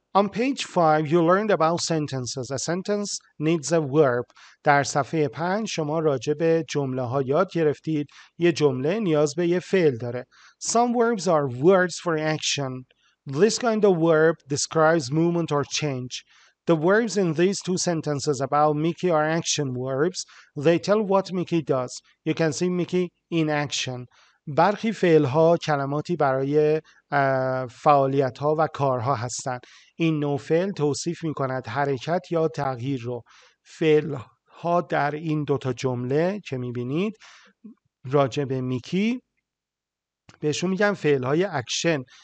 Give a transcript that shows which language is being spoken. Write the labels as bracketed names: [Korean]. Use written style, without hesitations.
[English] On page 5, you learned about sentences. A sentence needs a verb. [Persian] در صفحه 5 شما راجع به جمله ها یاد گرفتید. یه جمله نیاز به یه فعل داره. [English] Some verbs are words for action. This kind of verb describes movement or change. The verbs in these two sentences about Mickey are action verbs. They tell what Mickey does. You can see Mickey in action. [Persian] برخی فعل ها کلماتی برای فعالیت ها و کارها هستند. این نوع فعل توصیف می کند حرکت یا تغییر رو. فعل ها در این دوتا جمله که می بینید راجع به میکی بهشون میگن فعل های اکشن.